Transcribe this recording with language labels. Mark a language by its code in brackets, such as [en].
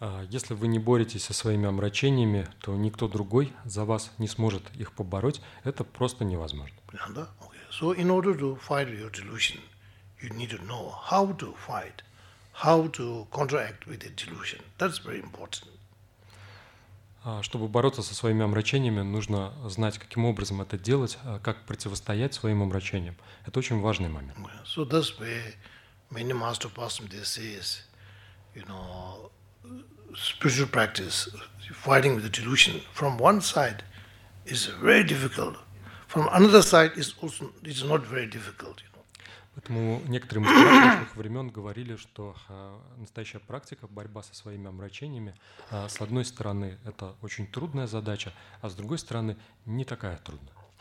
[ru] Если вы не боретесь со своими омрачениями, то никто другой за вас не сможет их побороть. Это просто невозможно. [en] Okay. So in order to fight with your delusion, you need to know how to fight. How to contract with the delusion? That's very important. [ru] Чтобы бороться со своими омрачениями, нужно знать, каким образом это делать, как противостоять своим омрачениям. Это очень важный момент. [en] So that's where many master pastimes they say is, you know, spiritual practice, fighting with the delusion. From one side, is very difficult. From another side, is also it's not very difficult. [ru] Поэтому некоторые мастера прошлых времен говорили, что настоящая практика, борьба со своими омрачениями, с одной стороны, это очень трудная задача, а с другой стороны, не такая трудная.